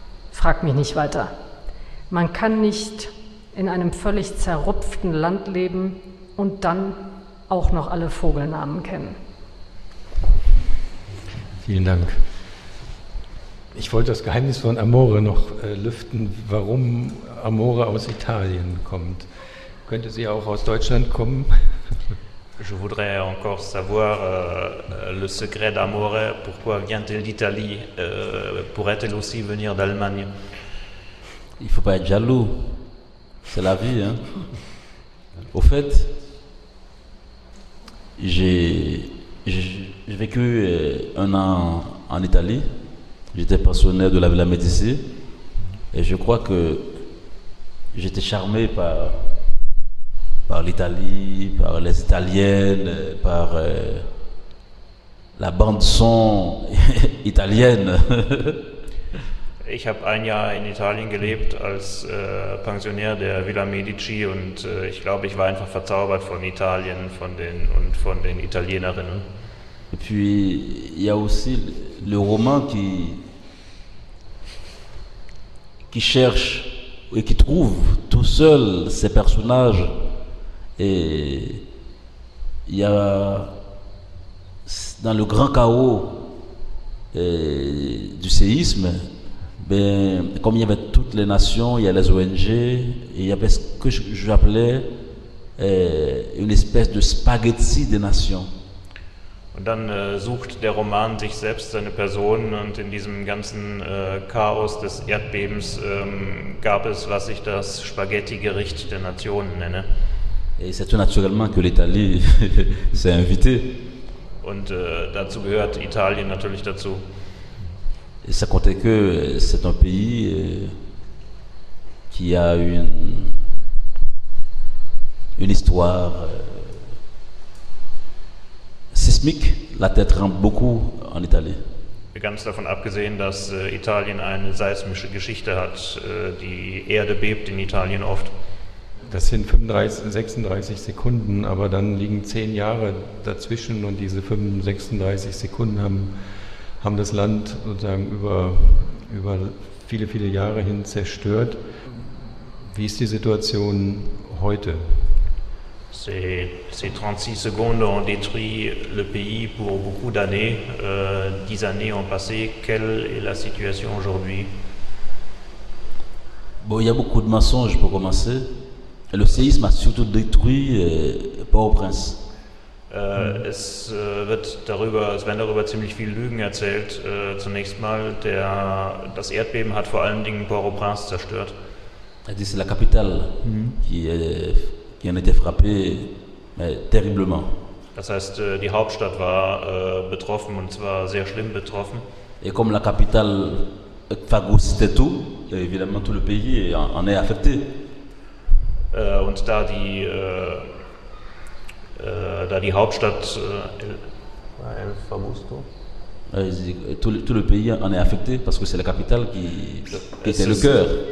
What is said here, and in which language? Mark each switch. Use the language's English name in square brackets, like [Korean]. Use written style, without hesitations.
[German] Frag mich nicht weiter. Man kann nicht in einem völlig zerrupften Land leben und dann auch noch alle Vogelnamen kennen. Vielen Dank. Ich wollte das Geheimnis von Amore noch lüften, warum Amore aus Italien kommt. Könnte sie auch aus Deutschland kommen? [French] Je voudrais encore savoir le secret d'Amore. Pourquoi vient-elle d'Italie? Pourrait-elle aussi venir d'Allemagne? Il faut pas être jaloux. C'est la vie, hein? Au fait, j'ai vécu un an en Italie. J'étais pensionnaire de la Villa Médici. Et je crois que j'étais charmé par l'Italie, par les Italiennes, par la bande-son italienne. [German] Ich habe ein Jahr in Italien gelebt als Pensionär der Villa Medici und ich glaube, ich war einfach verzaubert von Italien und von den Italienerinnen. [French] Et puis, il y a aussi le roman qui cherche et qui trouve tout seul ses personnages. Et il y a dans le grand chaos du séisme, ben, comme il y avait toutes les nations, il y a les ONG, il y avait ce que j'appelais une espèce de spaghetti des nations. [German] Und dann sucht der Roman sich selbst seine Personen und in diesem ganzen Chaos des Erdbebens gab es, was ich das Spaghetti-Gericht der Nationen nenne. [French] Et c'est tout naturellement que l'Italie s'est invitée. [German] Und dazu gehört Italien natürlich dazu. [French] Et ça comptait que c'est un pays qui a une histoire. Sismique, la terre tremble beaucoup en Italie. [German] Ganz davon abgesehen, dass Italien eine seismische Geschichte hat. Die Erde bebt in Italien oft. Das sind 36 Sekunden, aber dann liegen 10 Jahre dazwischen und diese 36 Sekunden haben das Land sozusagen über viele, viele Jahre hin zerstört. Wie ist die Situation heute? [French] Ces 36 secondes ont détruit le pays pour beaucoup d'années. 10 années ont passé. Quelle est la situation aujourd'hui? Bon, il y a beaucoup de mensonges pour commencer. Le séisme a surtout détruit Port-au-Prince. [German] Es werden darüber ziemlich viele Lügen erzählt. Zunächst mal, das Erdbeben hat vor allen Dingen Port-au-Prince zerstört. [French] C'est la capitale qui est. Qui en était frappé terriblement. [German] Das heißt, die Hauptstadt war betroffen und zwar sehr schlimm betroffen. [French] Et comme la capitale phagocytait tout, évidemment tout le pays en est affecté. [German] Und da die da die Hauptstadt [Spanish] El Famoso. [French] Tout le pays en est affecté parce que c'est la capitale qui était le cœur.